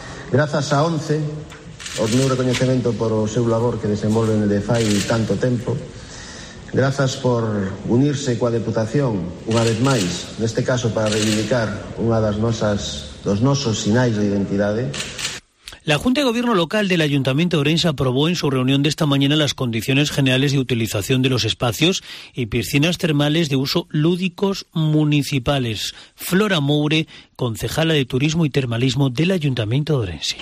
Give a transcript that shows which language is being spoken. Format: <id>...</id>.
<gl>Grazas a ONCE, o meu reconhecemento por o seu labor que desenvolven de fai tanto tempo. Grazas por unirse coa Deputación unha vez máis, neste caso para reivindicar unha das nosas dos nosos sinais de identidade.</gl> <es>La Junta de Gobierno Local del Ayuntamiento de Ourense aprobó en su reunión de esta mañana las condiciones generales de utilización de los espacios y piscinas termales de uso lúdicos municipales. Flora Moure, concejala de Turismo y Termalismo del Ayuntamiento de Ourense.</es>